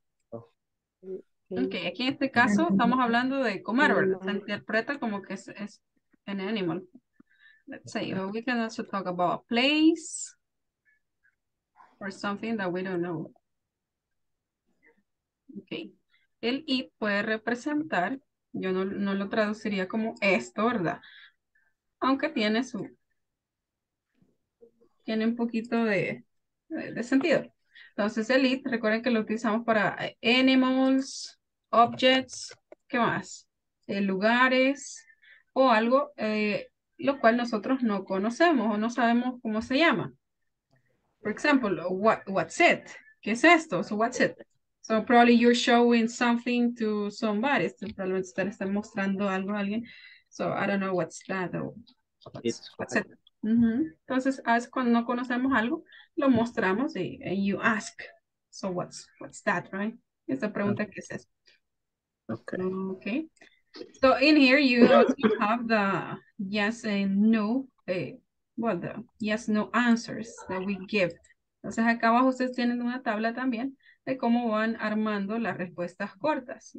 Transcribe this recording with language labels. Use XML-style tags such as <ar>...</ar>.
<es>Ok, aquí en este caso estamos hablando de comer, ¿verdad? Se interpreta como que es</es> <en>an animal. Let's say, but we can also talk about a place or something that we don't know.</en> <es>Ok, el it puede representar, yo no lo traduciría como esto, ¿verdad? Aunque tiene su, tiene un poquito de sentido. Entonces el it, recuerden que lo utilizamos para</es> <en>animals, objects,</en> <es>¿qué más? Lugares o algo lo cual nosotros no conocemos o no sabemos cómo se llama.</es> <en>For example, what's it?</en> <es>¿Qué es esto?</es> <en>So what's it? So probably you're showing something to somebody. So probably</en> <es>usted está mostrando algo a alguien.</es> <en>So I don't know what's that. Or what's it? Mm-hmm.</en> <es>Entonces, as cuando no conocemos algo, lo mostramos y</es> <en>and you ask. So what's that, right?</en> <es>Esa pregunta, ¿qué es eso?</es> <en>Okay. So in here you also have the yes and no, well, the yes no answers that we give.</en> <es>Entonces acá abajo ustedes tienen una tabla también de cómo van armando las respuestas cortas.</es>